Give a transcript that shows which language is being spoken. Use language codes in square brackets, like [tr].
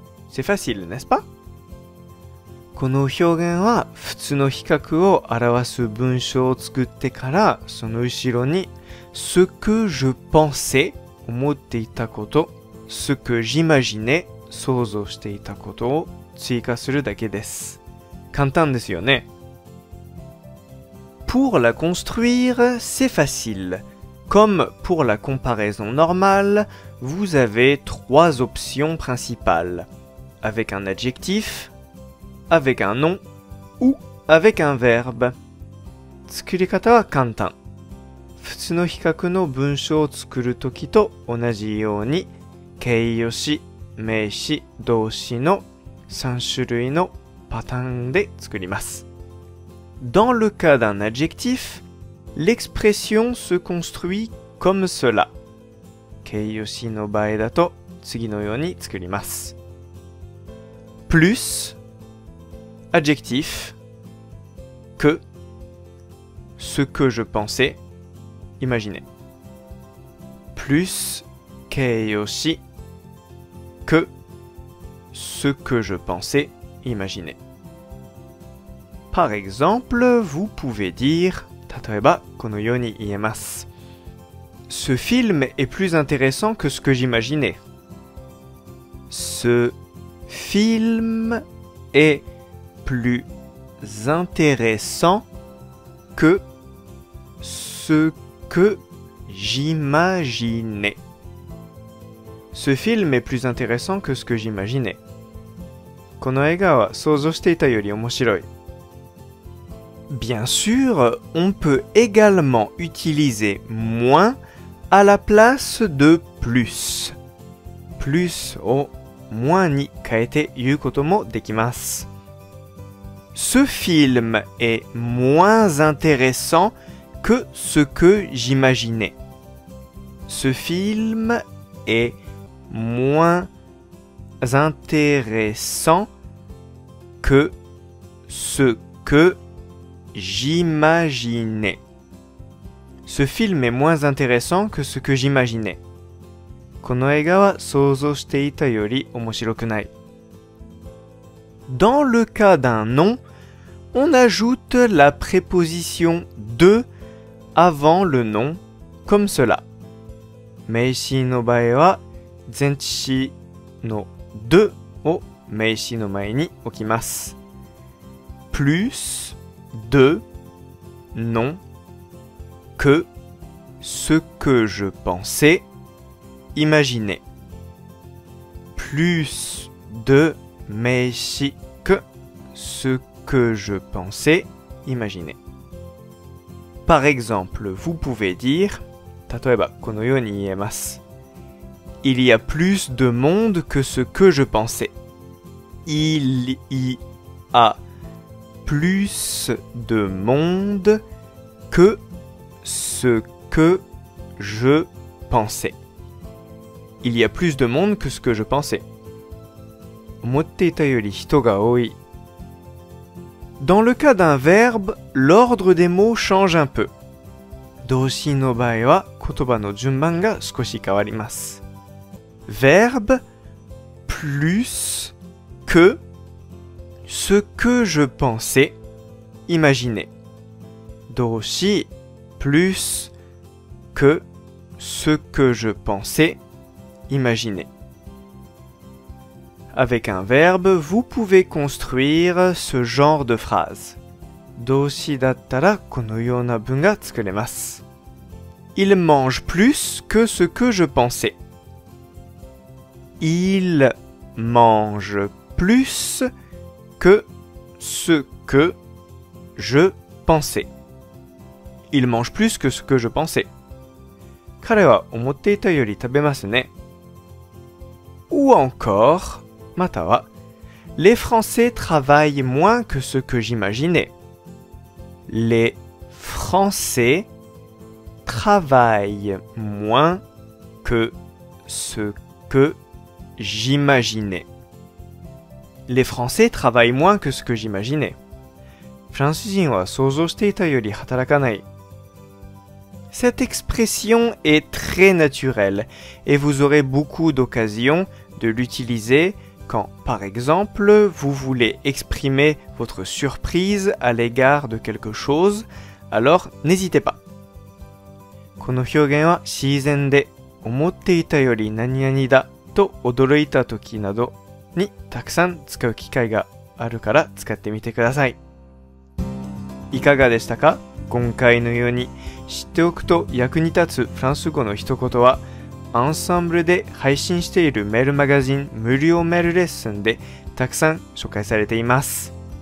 [fr] C'est facile, n'est-ce pas ? [ja] この表現は普通の比較を表す文章を作ってからその後ろに [fr] ce que je pensais [ja] 思っていたこと [fr] ce que j'imaginais [ja] 想像していたことを追加するだけです。簡単ですよね。 [fr] Pour la construire, c'est facile. Comme pour la comparaison normale, vous avez trois options principales. Avec un adjectif, avec un nom ou avec un verbe. [ja] 作り方は簡単。普通の比較の文章を作るときと同じように、形容詞、名詞、動詞の3種類のパターンで作ります。 [fr] Dans le cas d'un adjectif, l'expression se construit comme cela. [ja] 形容詞の場合だと次のように作ります。 [fr] Plus, adjectif, que, ce que je pensais, imaginez. Plus, 形容詞, que, ce que je pensais, imaginez. Par exemple, vous pouvez dire, [ja] 例えばこのように言えます。 [fr] Ce film est plus intéressant que ce que j'imaginais. Ce film est plus intéressant que ce que j'imaginais. Ce film est plus intéressant que ce que j'imaginais. [ja] この映画は想像していたより面白い。 [fr] Bien sûr, on peut également utiliser moins à la place de plus. [ja] Plus を moins に変えて言うこともできます。 [fr] Ce film est moins intéressant que ce que j'imaginais. Ce film est moins intéressant que ce que j'imaginais. Ce film est moins intéressant que ce que j'imaginais. [ja] この映画は想像していたより面白くない。 [fr] Dans le cas d'un nom, on ajoute la préposition de avant le nom, comme cela. [ja] 名詞の場合は、前詞の de を名詞の前に置きます。 [fr] Plus de nom que ce que je pensais imaginer. Plus de 名詞 que ce que je pensais imaginer. Par exemple, vous pouvez dire [ja] 例えばこのように言えます。 [fr] Il y a plus de monde que ce que je pensais. Il y a plus de monde que ce que je pensais. Il y a plus de monde que ce que je pensais. [ja] 思っていたより人が多い。 [fr] Dans le cas d'un verbe, l'ordre des mots change un peu. [ja] 動詞の場合は言葉の順番が少し変わります。 [fr] Verbe plus que ce que je pensais imaginer. 動詞 plus que ce que je pensais imaginer. Avec un verbe, vous pouvez construire ce genre de phrase. [ja] 動詞だったらこのような文が作れます。 [fr] Il mange plus que ce que je pensais. Il mange plus que ce que je pensais. Il mange plus que ce que je pensais. [ja] 彼は思っていたより食べますね。 [fr] Ou encore, [ja] または, [fr] les Français travaillent moins que ce que j'imaginais. Les Français travaillent moins que ce que j'imaginais. Les Français travaillent moins que ce que j'imaginais. [ja] フランス人は想像していたより働かない。 [fr] Cette expression est très naturelle et vous aurez beaucoup d'occasions de l'utiliser quand, par exemple, vous voulez exprimer votre surprise à l'égard de quelque chose, alors n'hésitez pas. [ja] この表現は自然で、思っていたより何々だと驚いた時などにたくさん使う機会があるから使ってみてください。いかがでしたか？今回のように知っておくと役に立つフランス語の一言は、アンサンブルで配信しているメールマガジン無料メールレッスンでたくさん紹介されています。